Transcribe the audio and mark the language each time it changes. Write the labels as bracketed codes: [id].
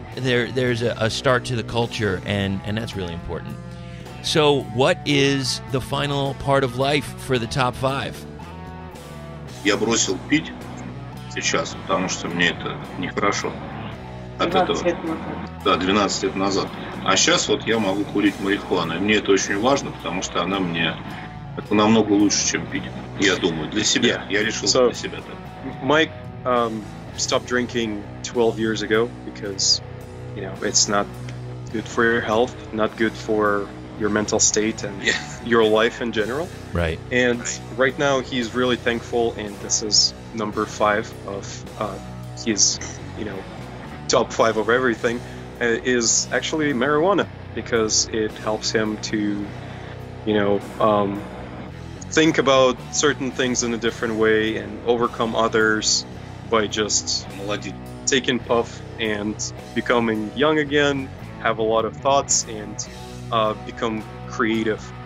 [en] There's a start to the culture, and that's really important. So what is the final part of life for the top five? [ru] Я бросил пить сейчас, потому что мне это нехорошо. от этого. 12 лет назад. Да, 12 лет назад. А сейчас вот я могу курить марихуану. И мне это очень важно, потому что она мне... Это намного лучше, чем пить. Я думаю, для себя. Я решил для себя так. [en] Майк stopped drinking 12 years ago because, you know, it's not good for your health, not good for your mental state and your life in general. Right. And right now he's really thankful, and this is number 5 of his, you know, top 5 of everything is actually marijuana, because it helps him to, you know, think about certain things in a different way and overcome others by just taking puff and becoming young again, have a lot of thoughts and become creative.